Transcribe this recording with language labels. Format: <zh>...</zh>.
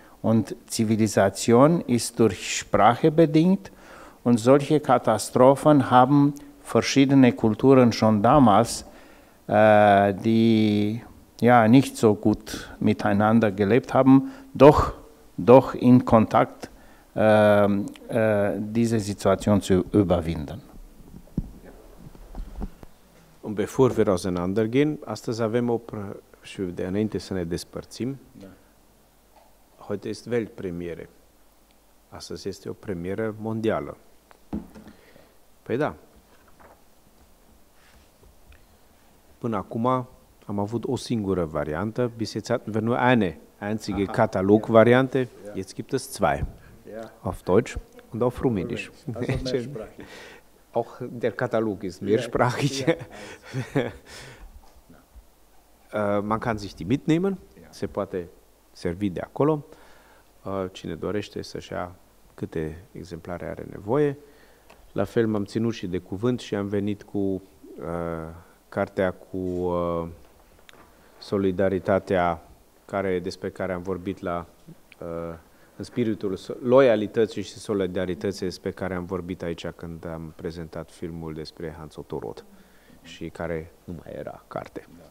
<de>Und Zivilisation ist durch Sprache bedingt und solche Katastrophen haben verschiedene Kulturen schon damals, die ja nicht so gut miteinander gelebt haben, doch in Kontakt diese Situation zu überwinden. Und bevor wir auseinandergehen,</de> <ro>astăzi avem o prăjitură, înainte să ne despărțim.</ro> <de>Heute ist Weltpremiere.</de> <ro>Astăzi este o premieră mondială. Păi da. Până acum am avut o singură variantă.</ro> <de>Bis jetzt hatten wir nur eine einzige Katalog-Variante. Ja. Jetzt gibt es zwei. Ja. Auf Deutsch und auf Rumänisch. Also mehrsprachig. Auch der Katalog ist mehrsprachig. Ja. Man kann sich die mitnehmen. Ja.</de> <ro>Se poate servi de acolo. Cine dorește să-și ia câte exemplare are nevoie. La fel m-am ținut și de cuvânt și am venit cu cartea cu solidaritatea care, despre care am vorbit la în spiritul loialității și solidarității despre care am vorbit aici când am prezentat filmul despre Hans Otto Roth și care nu mai era carte.</ro>